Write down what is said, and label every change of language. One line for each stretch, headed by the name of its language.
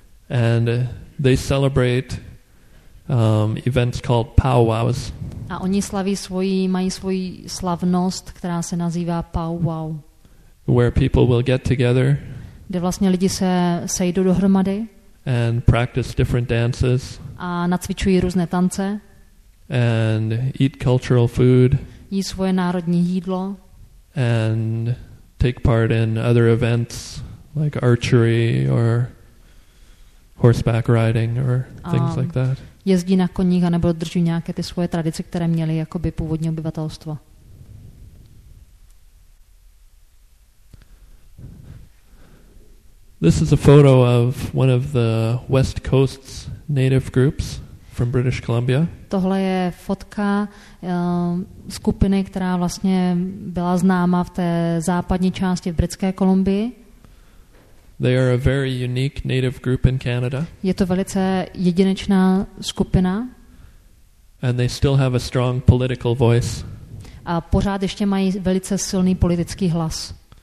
English: And they celebrate events called powwows.
Czech: A oni slaví mají svoji slavnost, která se nazývá powwow.
English: Where people will get together.
Czech: Kde vlastně lidi se sejdou dohromady.
English: And practice different dances.
Czech: A nacvičují různé tance.
English: And eat cultural food.
Czech: Jí svoje národní jídlo.
English: And take part in other events like archery or horseback riding or things like that.
Czech: Jezdí na koních a nebo drží nějaké ty svoje tradice, které měly jakoby původní obyvatelstvo.
English: This is a photo of one of the West Coast's native groups. From British Columbia.
Czech: Tohle je fotka skupiny, která vlastně byla známa v té západní části v Britské Kolumbii.
English: They are a very unique native group in Canada.
Czech: Je to velice jedinečná skupina.
English: And they still have a strong political voice.
Czech: A pořád ještě mají velice silný politický hlas.